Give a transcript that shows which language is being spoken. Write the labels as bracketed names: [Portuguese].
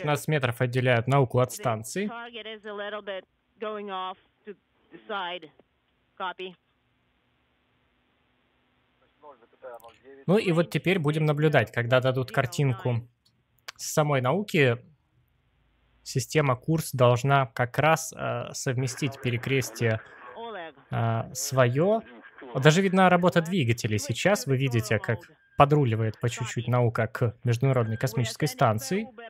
[Russian] 15 метров отделяют науку от станции. [English] Target is a little bit going off to the side. Copy. [Russian] Ну и вот теперь будем наблюдать, когда дадут картинку с самой науки, система курс должна как раз совместить перекрестие свое. Даже видна работа двигателей. Сейчас вы видите, как подруливает по чуть-чуть наука к Международной космической станции.